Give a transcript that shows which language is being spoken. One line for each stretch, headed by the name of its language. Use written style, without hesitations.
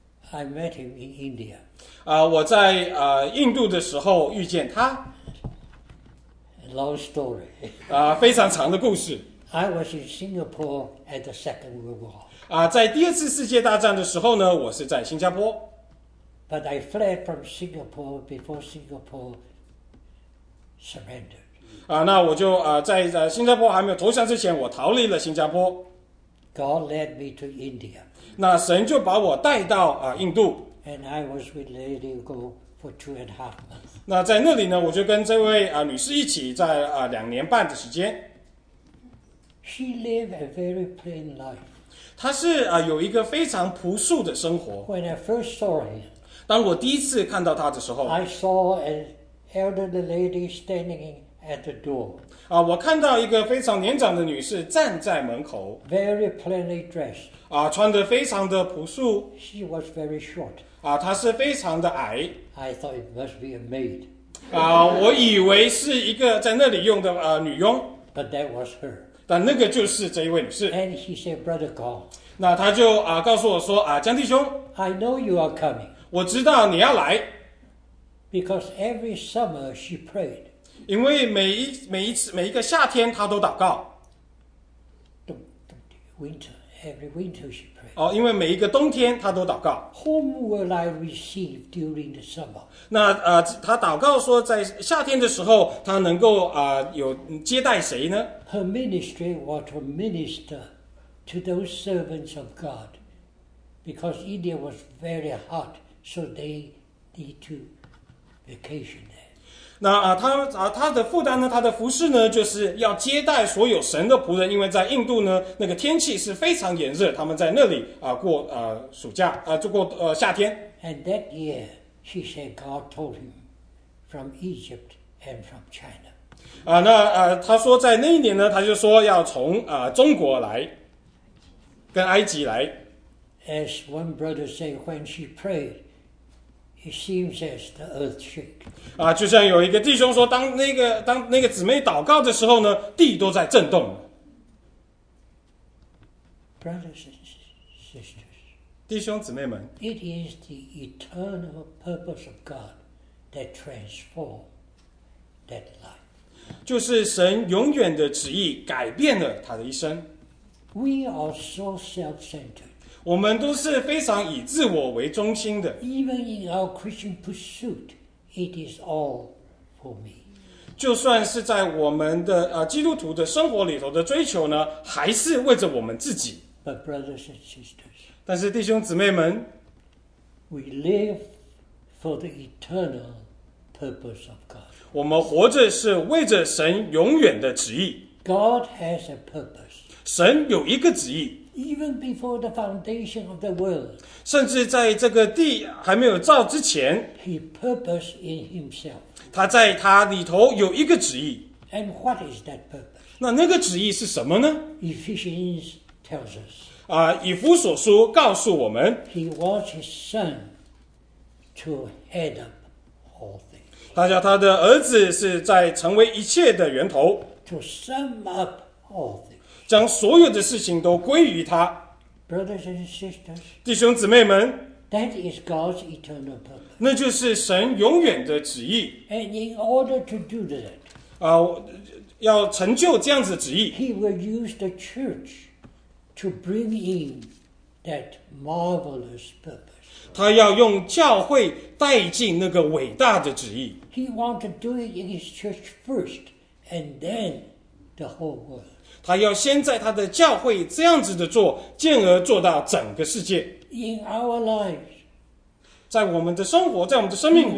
English: I met him in India.
Chinese: 我在印度的时候遇见他。
English: Long story.
Chinese: 非常长的故事。
English: I was in Singapore at the Second World War.
Chinese: 在第二次世界大战的时候呢，我是在新加坡。
English: But I fled from Singapore before Singapore surrendered.
Chinese: 那我就在新加坡还没有投降之前，我逃离了新加坡。
English: God led me to India.
Chinese: 那神就把我带到印度。
English: And I was with Lady Go for 2.5 months.
Chinese: 那在那里呢，我就跟这位女士一起在两年半的时间。
English: She lived a very plain life.
Chinese: 她是有一个非常朴素的生活。
English: When I first saw him,
Chinese: 当我第一次看到她的时候
English: ，I saw an elderly lady standing in. At the door.
Chinese: 我看到一个非常年长的女士站在门口。
English: Very plainly dressed.
Chinese: 穿得非常的朴素。
English: She was very short.
Chinese: 她是非常的矮。
English: I thought it must be a maid.
Chinese: 我以为是一个在那里用的女佣。
English: But that was her.
Chinese: 但那个就是这一位女士。
English: And she said, Brother Gong.
Chinese: 那她就告诉我说江弟兄。
English: I know you are coming.
Chinese: 我知道你要来。
English: Because every summer she prayed.
Chinese: 因为每一个夏天，他都祷告。
English: Winter, every winter she prayed.
Chinese: 因为每一个冬天，他都祷告。
English: Whom will I receive during the summer?
Chinese: 那他祷告说，在夏天的时候，他能够有接待谁呢
English: ？Her ministry was to minister to those servants of God, because India was very hot, so they need to vacation there.
Chinese: 那他的负担呢？他的服侍呢？就是要接待所有神的仆人，因为在印度呢，那个天气是非常炎热，他们在那里过暑假就过夏天。
English: And that year, she said, God told him from Egypt and from China.
Chinese: 他说在那一年呢，他就说要从中国来，跟埃及来。
English: As one brother said, when she prayed. It seems as the earth shook.
Chinese: 就像有一个弟兄说，当那个姊妹祷告的时候呢，地都在震动。
English: Brothers and sisters,
Chinese: 弟兄姊妹们，
English: It is the eternal purpose of God that transforms that life.
Chinese: 就是神永远的旨意改变了他的一生。
English: We are so self-centered.
Chinese: 我们都是非常以自我为中心的。
English: Even in our Christian pursuit, it is all for me.
Chinese: 就算是在我们的基督徒的生活里头的追求呢，还是为着我们自己。
English: But brothers and sisters,
Chinese: 但是弟兄姊妹们，
English: we live for the eternal purpose of God.
Chinese: 我们活着是为着神永远的旨意。
English: God has a purpose.
Chinese: 神有一个旨意。
English: Even before the foundation of the world,
Chinese: 甚至在这个地还没有造之前，
English: He purposed in Himself.
Chinese: 他在他里头有一个旨意。
English: And what is that purpose?
Chinese: 那个旨意是什么呢？
English: Ephesians tells us.
Chinese: 以弗所书告诉我们，
English: He wants His Son to head up all things.
Chinese: 他叫他的儿子是在成为一切的源头，
English: to sum up all things.
Chinese: 将所有的事情都归于他。
English: Brothers and sisters,
Chinese: 弟兄姊妹们，
English: That is God's eternal purpose.
Chinese: 那就是神永远的旨意。
English: And in order to do that,
Chinese: 要成就这样子旨意，
English: He will use the church to bring in that marvelous purpose.
Chinese: 他要用教会带进那个伟大的旨意。
English: He wants to do it in his church first, and then the whole world.
Chinese: 他要先在他的教会这样子的做，进而做到整个世界。
English: In our lives,
Chinese: 在我们的生活，在我们的生命里，